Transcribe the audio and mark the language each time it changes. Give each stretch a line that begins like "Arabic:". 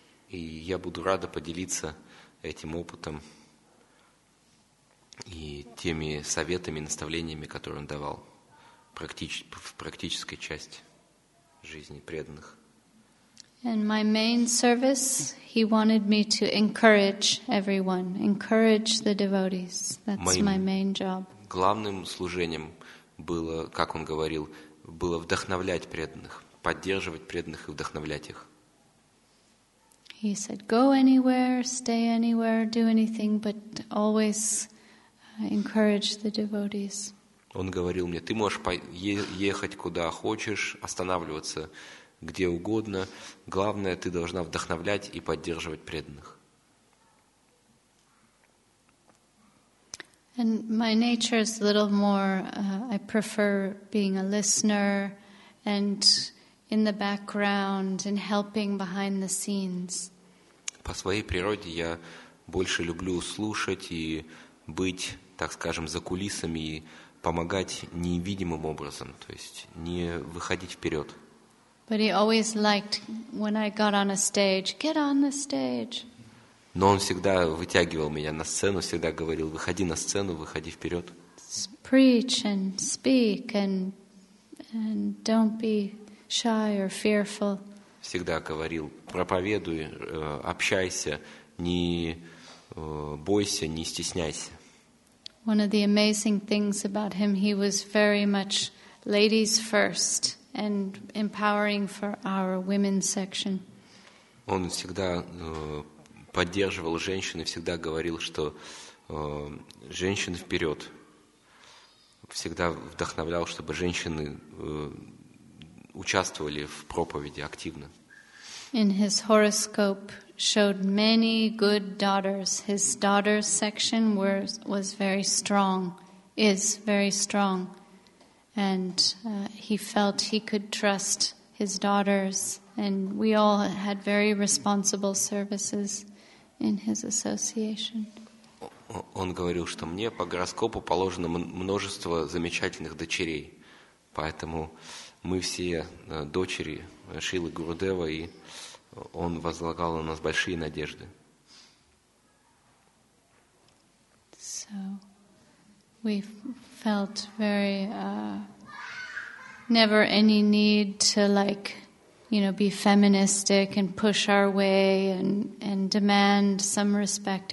Russian: И я буду рада поделиться этим опытом и теми советами, наставлениями, которые он давал в практической части жизни преданных.
English: And my main service, he wanted me to encourage everyone, encourage the devotees. That's my main job.
Russian: Главным служением было, как он говорил, было вдохновлять преданных, поддерживать преданных и вдохновлять их.
English: He said, go anywhere, stay anywhere, do anything, but always encourage the devotees.
Russian: Он говорил мне, ты можешь ехать куда хочешь, останавливаться где угодно. Главное, ты должна вдохновлять и поддерживать преданных.
English: And my nature is a little more, I prefer being a listener and in the background and helping behind the scenes.
Russian: По своей природе я больше люблю слушать и быть, так скажем, за кулисами и помогать невидимым образом, то есть не выходить вперед.
English: But he always liked when I got on a stage, get on the stage.
Russian: Но он всегда вытягивал меня на сцену, всегда говорил, выходи на сцену, выходи вперед.
English: Preach and speak and don't be shy or fearful.
Russian: Всегда говорил, проповедуй, общайся, не бойся, не стесняйся.
English: One of the amazing things about him, he was very much ladies first. And empowering for our women's section.
Russian: Он всегда поддерживал женщин и всегда говорил, что женщины вперед. Всегда вдохновлял, чтобы женщины участвовали в проповеди активно.
English: In his horoscope showed many good daughters. His daughters section was very strong, is very strong. And he felt he could trust his daughters, and we all had very responsible services in his association.
Russian: Он говорил, что мне по гороскопу положено множество замечательных дочерей, поэтому мы все дочери Шилы Гурудева, и он возлагал на нас большие надежды.
English: So we felt very never any need to, like, you know, be feministic and push our way and demand some respect.